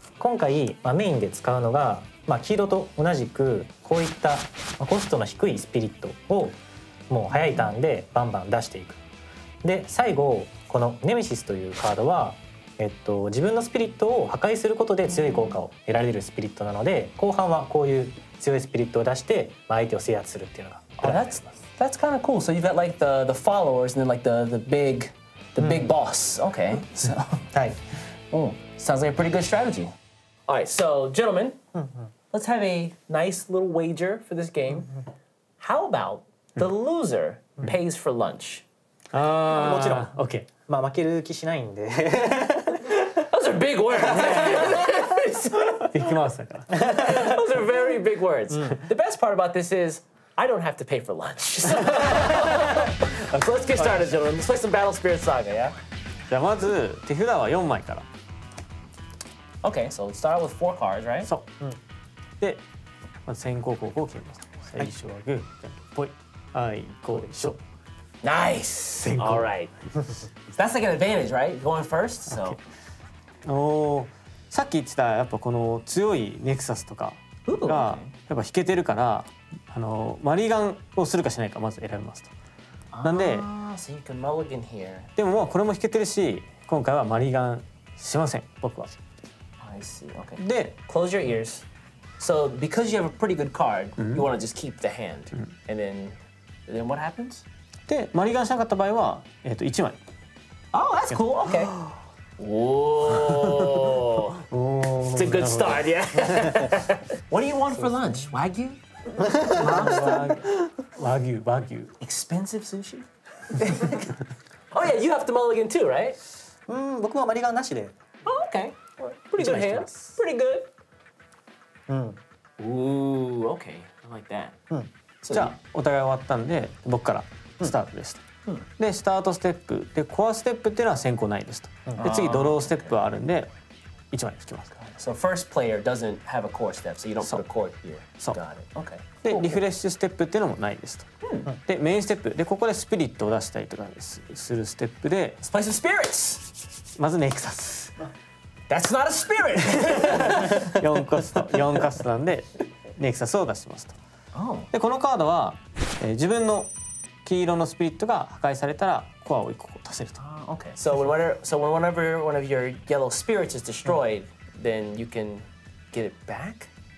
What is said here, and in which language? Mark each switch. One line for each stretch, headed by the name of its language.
Japanese: 僕が今日使うのは紫のデッキです。で、今回メインで使うのが まあ黄色と同じくこういったコストの低いスピリットをもう早いターンでバンバン出していく。で、最後このネメシスというカードは自分のスピリットを破壊することで強い効果を得られるスピリットなので、後半はこういう強いスピリットを出して相手を制圧するっていうのが。That's
English: kind of cool. So you've got like the followers and then like the big boss. Okay. So.
Japanese: はい.
English: Oh, sounds like a pretty good strategy. All right, so gentlemen, let's have a nice little wager for this game. Mm-hmm. How about the loser pays for lunch?
Japanese: もちろん。Okay. まあ負ける気しないんで。
English: Those are big words. Those are very big words. The best part about this is I don't have to pay for lunch. So let's get started, gentlemen. Let's play some Battle Spirits Saga, yeah?
Japanese: じゃあまず手札は4枚から。
English: Okay, so let's start out with 4 cards, right? So.
Japanese: で、まず先行後攻を決めます。最初はグー、ポイ、アイ、コーでしょ。
English: Nice! Alright. That's like an advantage, right? Going first, so.
Japanese: さっき言ってた、やっぱこの強いネクサスとかが、やっぱ引けてるから、マリガンをするかしないか、まず選びますと。なんで、
English: So you can mulligan here.
Japanese: でももうこれも引けてるし、今回はマリガンしません、僕は。
English: I see, okay. で、 Close your ears. So because you have a pretty good card, you want to just keep the hand. And then what happens?
Japanese: で、マリガンしなかった場合は、1枚。
English: Oh, that's cool, okay. Oh, it's a good start, yeah. What do you want for lunch? Wagyu? Lobster? Wagyu. Expensive sushi? Oh yeah, you have to mulligan too, right?
Japanese: Mm, 僕はマリガンなしで。
English: Oh, okay. Pretty good hands. Pretty good. Ooh, okay. I like that.
Japanese: じゃあ、お互い終わったんで、僕からスタートでした。で、スタートステップ。で、コアステップっていうのは先行ないですと。で、次、ドローステップはあるんで、1枚引きます。
English: So, first player doesn't have a core step, so you don't put a core here.
Japanese: そう。
English: Got it. Okay.
Japanese: で、リフレッシュステップっていうのもないですと。で、メインステップ。で、ここでスピリットを出したりとかするステップで。
English: Spice of Spirits!
Japanese: まずネクサス。
English: That's not a spirit!
Japanese: 4コスト。 4コストなんで、ネクサスを出しますと。
English: Oh.
Japanese: でこのカードは、自分の黄色のスピリットが破壊されたらコアを1個足せると。
English: Ah, okay. So whenever one of your yellow spirits is destroyed, then you can get it back?